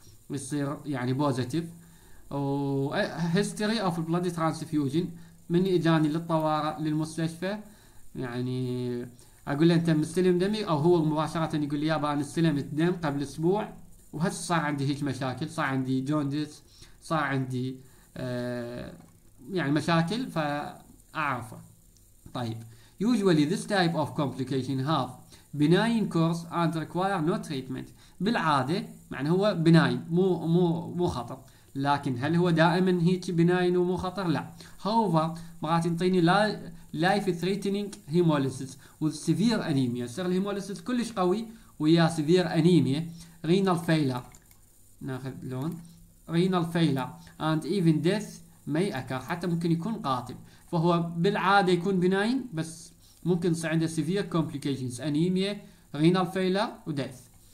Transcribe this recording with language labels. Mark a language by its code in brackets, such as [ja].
[ar] يصير يعني بوزيتيف، وهيستوري اوف بلاد ترانسفيوجن من اجاني للطوارئ للمستشفى، يعني اقول له انت مستلم دمي، او هو مباشره يقول لي يابا انا استلمت دم قبل اسبوع وهسه صار عندي هيك مشاكل، صار عندي جونديس، صار عندي يعني مشاكل فاعرفه. [en] طيب usually this type of complication have benign course and require no treatment. [ar] بالعاده يعني هو بناين مو مو مو خطر، لكن هل هو دائما هيك بناين ومو خطر؟ لا. [en] however [ar] مرات ينطيني [en] life threatening hemolysis with severe anemia. [ar] صار الهيموليسيس كلش قوي ويا severe anemia renal failure، ناخذ لون [en] renal failure and even death may occur، [ar] حتى ممكن يكون قاتل. فهو بالعاده يكون بناين بس ممكن يصير عنده [en] severe complications anemia renal failure [ar] وdeath.